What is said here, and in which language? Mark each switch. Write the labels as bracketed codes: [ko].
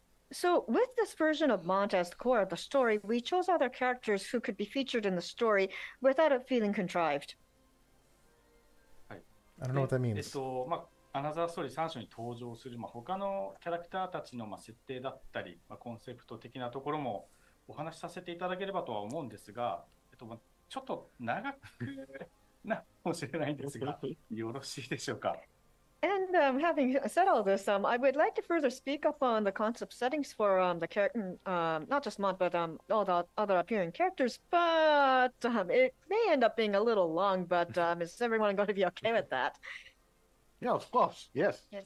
[en] So with this version of Mont as the core of the story, we chose other characters who could be featured in the story without it feeling contrived. I don't know what that means. [ja] アナザーストーリー3章に登場する他のキャラクターたちの設定だったり、コンセプト的なところもお話しさせていただければとは思うんですが、ちょっと長くなるかもしれないんですが、よろしいでしょうか? [en] And having said all this, I would like to further speak up on the concept settings for the character, not just Mont, but all the other appearing characters, but it may end up being a little long, but is everyone going to be okay with that? Yeah, of course. Yes.